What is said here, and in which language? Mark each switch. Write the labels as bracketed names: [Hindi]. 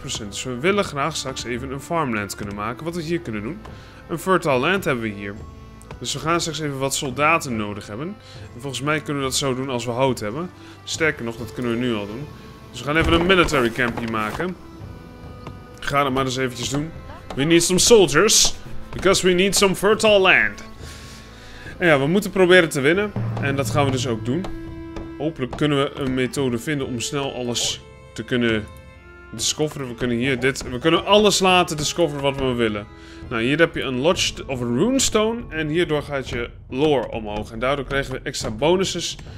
[Dutch] Dus we willen graag straks even een farmland kunnen maken. Wat we hier kunnen doen. Een fertile land hebben we hier. Dus we gaan straks even wat soldaten nodig hebben. En volgens mij kunnen we dat zo doen als we hout hebben. Sterker nog, dat kunnen we nu al doen. Dus we gaan even een military camp hier maken. Ga dat maar eens eventjes doen. [English] We need some soldiers. Because we need some fertile land. [Dutch] En ja, we moeten proberen te winnen. En dat gaan we dus ook doen. Hopelijk kunnen we een methode vinden om snel alles te kunnen discoveren. We kunnen hier dit... We kunnen alles laten discoveren wat we willen. Nou, hier heb je een lodge of een runestone. En hierdoor gaat je lore omhoog. En daardoor krijgen we extra bonuses.